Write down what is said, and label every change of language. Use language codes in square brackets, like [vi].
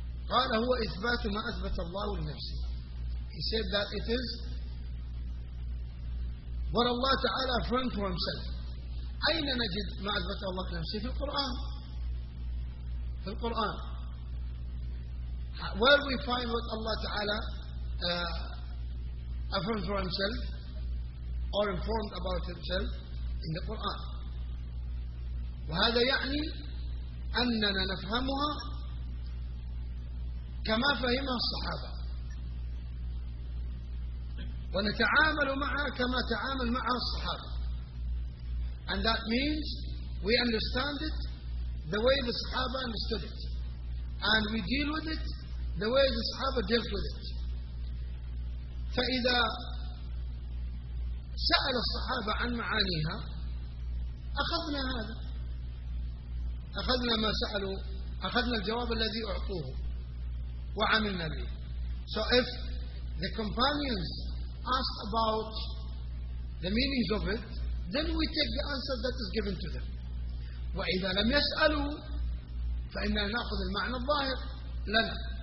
[ar] قال هو إثبات ما أثبت الله لنفسه. [en] He said that it is what Allah Ta'ala affirmed for himself. [ar] أين نجد ما أثبت الله لنفسه؟ في القرآن. في القرآن. [en] Where we find what Allah Ta'ala affirmed for himself or informed about himself in the Quran. [ar] وهذا يعني أننا نفهمها كما فهمها الصحابة ونتعامل معها كما تعامل معها الصحابة. [en] And that means we understand it the way the Sahaba understood it and we deal with it the way the Sahaba dealt with it. [ar] فإذا سأل الصحابة عن معانيها أخذنا هذا, أخذنا ما سألوا, أخذنا الجواب الذي أعطوه وعملنا به. [en] So if the companions asked about the meanings of it, then we take the answer that is given to them. [ar] وإذا لم يسألوا فإننا نأخذ المعنى الظاهر لنا.